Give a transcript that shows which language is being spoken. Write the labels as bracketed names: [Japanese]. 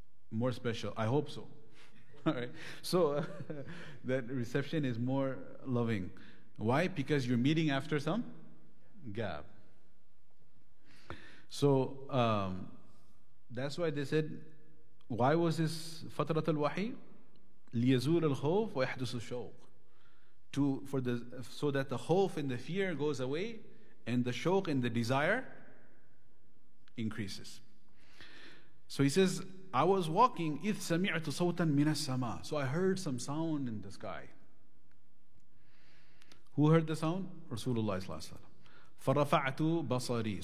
[English] More special. I hope so. All right. So that reception is more loving. Why? Because you're meeting after some gap. So that's why they said, why was this Fatrat al-Wahi? [Arabic] ليزول الخوف ويحدث الشوق. [English] So that the khawf and the fear goes away, and the shawq and the desire increases. So he says, I was walking, [Arabic] إذ سمعت صوتا من السماء. [English] So I heard some sound in the sky. Who heard the sound? Rasulullah صلى الله عليه وسلم. [Arabic] فرفعت بصري.